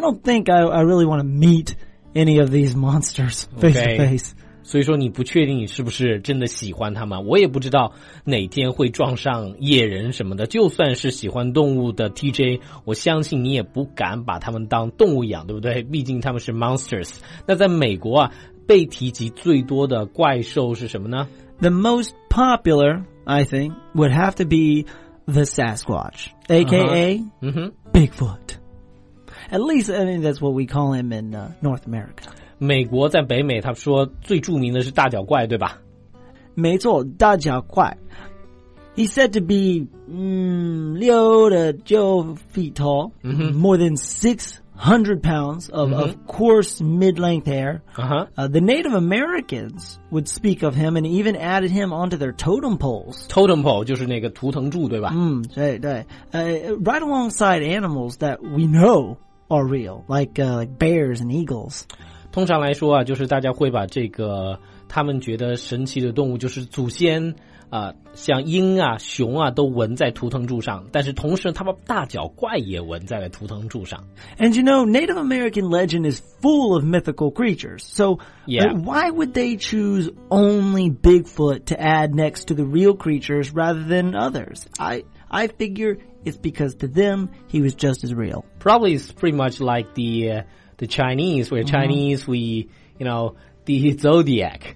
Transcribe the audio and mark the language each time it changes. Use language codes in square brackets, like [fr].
[en] I don't think I really want to meet any of these monsters face to face. [zh] 所以说你不确定你是不是真的喜欢他们，我也不知道哪天会撞上野人什么的。就算是喜欢动物的 TJ, 我相信你也不敢把他们当动物养，对不对？毕竟他们是 monsters。那在美国啊，被提及最多的怪兽是什么呢？ [en] The most popularI think would have to be the Sasquatch, aka Bigfoot. At least, I mean, that's what we call him in North America. [zh] 美国在北美，他说最著名的是大脚怪，对吧？没错，大脚怪。 [en] He's said to be [zh] 六到九 [en] feet tall,、more than 600 pounds of,、of coarse mid-length hair. The Native Americans would speak of him and even added him onto their totem poles. [zh] Totem pole 就是那个图腾柱，对吧？对对。 [en] Right alongside animals that we know are real, like bears and eagles. [zh] 通常来说啊，就是大家会把这个他们觉得神奇的动物，就是祖先像鹰啊熊啊都纹在图腾柱上，但是同时他们大脚怪也纹在了图腾柱上。 [en] And you know, Native American legend is full of mythical creatures. So, why would they choose only Bigfoot to add next to the real creatures rather than others? I figure it's because to them, he was just as real. Probably it's pretty much like the Chinese, where Chinese, the zodiac.